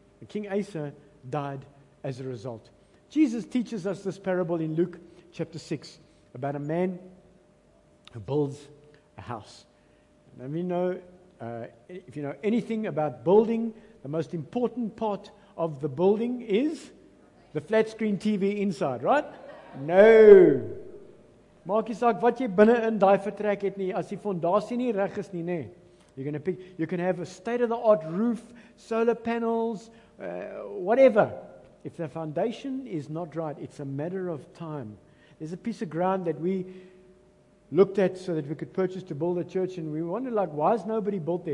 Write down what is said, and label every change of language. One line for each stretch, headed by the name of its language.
English: And King Asa died as a result. Jesus teaches us this parable in Luke chapter 6 about a man who builds a house. Let me know. If you know anything about building, the most important part of the building is the flat screen TV inside, right? No.
Afrikaans: Maak jy saak wat jy binne in daai vertrek het nie, as die fondasie nie reg is nie, nee.
English: You're gonna pick, you can have a state-of-the-art roof, solar panels, whatever. If the foundation is not right, it's a matter of time. There's a piece of ground that we looked at so that we could purchase to build a church, and we wondered, like, why has nobody built there?